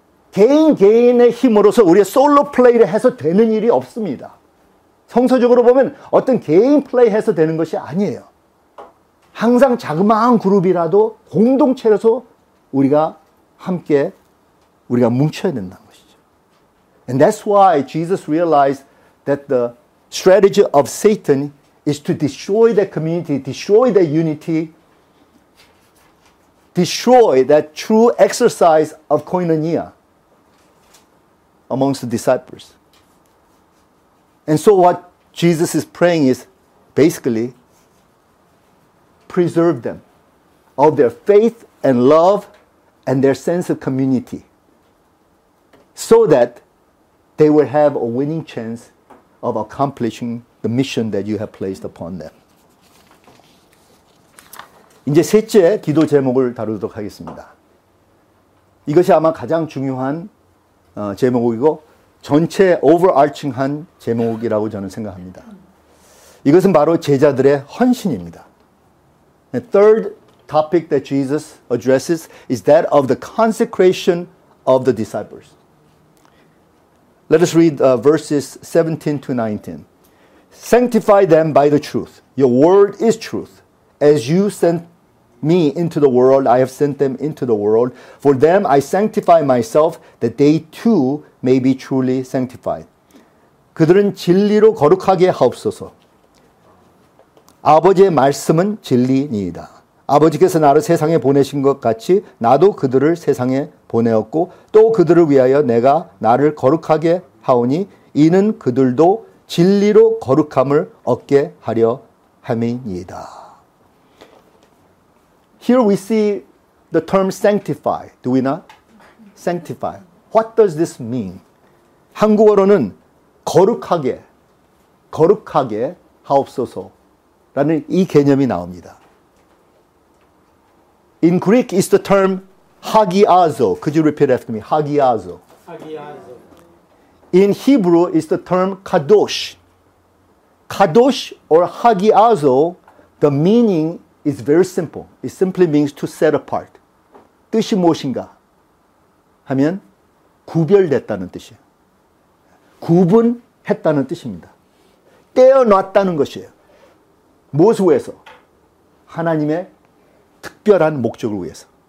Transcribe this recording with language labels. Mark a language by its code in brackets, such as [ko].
[ko] 개인 개인의 힘으로서 우리의 솔로 플레이를 해서 되는 일이 없습니다. 성서적으로 보면 어떤 개인 플레이 해서 되는 것이 아니에요. 항상 자그마한 그룹이라도 공동체로서 우리가 함께 우리가 뭉쳐야 된다는 것이죠. [en] And that's why Jesus realized that the strategy of Satan is to destroy the community, destroy the unity, destroy that true exercise of koinonia amongst the disciples. And so what Jesus is praying is basically preserve them of their faith and love and their sense of community so that they will have a winning chance of accomplishing the mission that you have placed upon them. [ko] 이제 셋째 기도 제목을 다루도록 하겠습니다. 이것이 아마 가장 중요한 제목이고 전체 overarching한 제목이라고 저는 생각합니다. 이것은 바로 제자들의 헌신입니다. [en] The third topic that Jesus addresses is that of the consecration of the disciples. Let us read verses 17 to 19. Sanctify them by the truth. Your word is truth. As you sent me into the world, I have sent them into the world. For them I sanctify myself, that they too may be truly sanctified. [ko] 그들은 진리로 거룩하게 하옵소서. 아버지의 말씀은 진리니이다. 아버지께서 나를 세상에 보내신 것 같이 나도 그들을 세상에 보내었고 또 그들을 위하여 내가 나를 거룩하게 하오니 이는 그들도 진리로 거룩함을 얻게 하려 함이니이다. [en] Here we see the term sanctify, do we not? Sanctify. What does this mean? [ko] 한국어로는 거룩하게, 거룩하게 하옵소서 라는 이 개념이 나옵니다. [en] In Greek is the term hagiazo. Could you repeat after me? Hagiazo. In Hebrew is the term kadosh. Kadosh or hagiazo, the meaning is very simple. It simply means to set apart. [ko] 뜻이 무엇인가 하면 구별됐다는 뜻이에요. 구분했다는 뜻입니다. 떼어놨다는 것이에요. 무엇을 위해서? 하나님의 특별한 목적을 위해서.